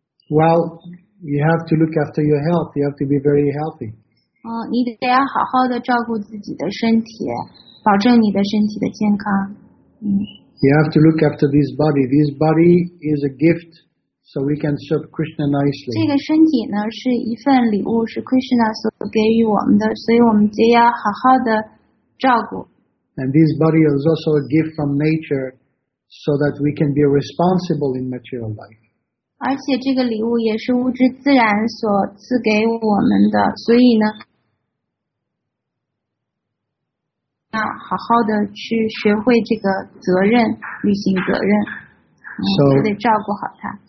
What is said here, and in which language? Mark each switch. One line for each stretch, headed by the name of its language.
English: Well, you have to look after your health. You have to be very healthy.
Chinese: 你得要好好的照顾自己的身体，保证你的身体的健康。
English: You have to look after this body. This body is a gift, so we can serve Krishna nicely.
Chinese: 这个身体呢是一份礼物，是 Krishna 所给予我们的，所以我们得要好好的。
English: And this body is also a gift from nature, so that we can be responsible in material life.
Chinese: 而且这个礼物也是物质自然所赐给我们的，所以呢，要好好的去学会这个责任，履行责任，就得照顾好它。